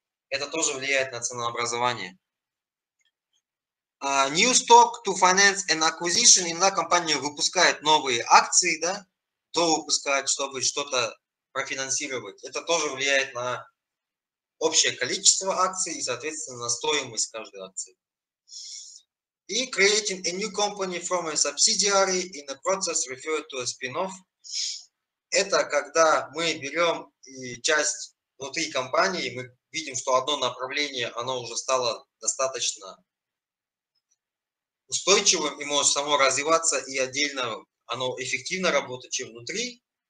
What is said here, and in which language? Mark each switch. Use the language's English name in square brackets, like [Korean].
[Russian] Это тоже влияет на ценообразование. [English] New stock to finance an acquisition. [Russian] Иногда компания выпускает новые акции, да, что выпускать, чтобы что-то профинансировать. Это тоже влияет на общее количество акций и, соответственно, на стоимость каждой акции. [English] И creating a new company from a subsidiary in the process referred to a spin-off. [Russian] Это когда мы берем и часть внутри компании, мы видим, что одно направление, оно уже стало достаточно устойчивым и может само развиваться, и отдельно оно эффективно работает, чем внутри.